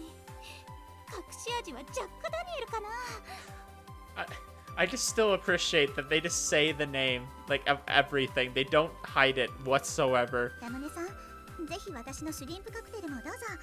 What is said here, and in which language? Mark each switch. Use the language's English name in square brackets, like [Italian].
[Japanese] 隠し味はジャック・ダニエルかな。 [English] I just still appreciate that they just say the name, like, of everything. They don't hide it whatsoever. [Japanese] ラムネさん、ぜひ私のシュリンプカクテルもどうぞ。